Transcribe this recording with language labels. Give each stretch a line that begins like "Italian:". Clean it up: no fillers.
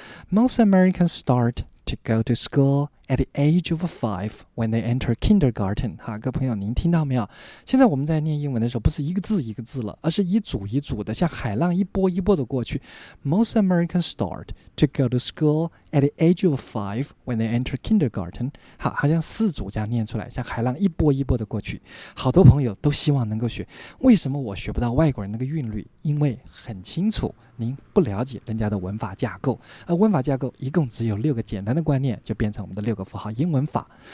English: Most Americans start,To go to school at the age of five when they enter kindergarten.
Chinese: 哈，各位朋友您听到没有，现在我们在念英文的时候不是一个字一个字了，而是一组一组的，像海浪一波一波的过去。
English: Most Americans start to go to school at the age of five when they enter kindergarten.
Chinese: 哈，好像四组这样念出来，像海浪一波一波的过去。好多朋友都希望能够学，为什么我学不到外国人那个韵律？因为很清楚您不了解人家的文法架构，而文法架构一共只有六个简单的观念，就变成我们的六个符号英文法。